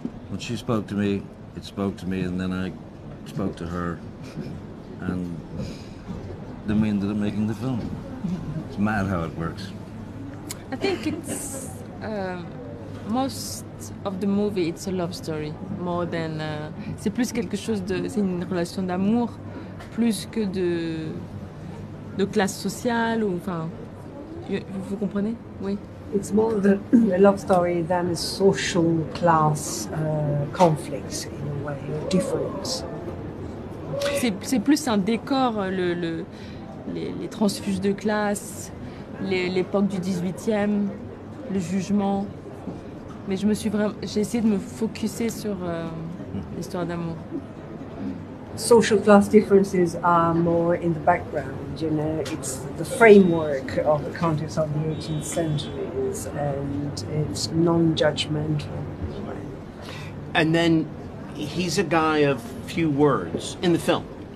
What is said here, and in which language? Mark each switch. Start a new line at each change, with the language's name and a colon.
English: When she spoke to me, it spoke to me, and then I spoke to her, and then we ended up making the film. It's mad how it works. I think it's... most of the movie, it's a love story, more than...
French: c'est plus quelque chose de... C'est une relation d'amour, plus que de classe sociale, ou... Enfin, vous comprenez? Oui.
English: It's more of a love story than a social class conflict, in a way, or difference.
French: C'est plus un décor, les transfuges de classe, l'époque du 18e, le jugement. Mais j'ai essayé de me focusser sur l'histoire d'amour.
English: Social class differences are more in the background, you know. It's the framework of the context of the 18th century, and it's non-judgmental. And then he's a guy of few words in the film.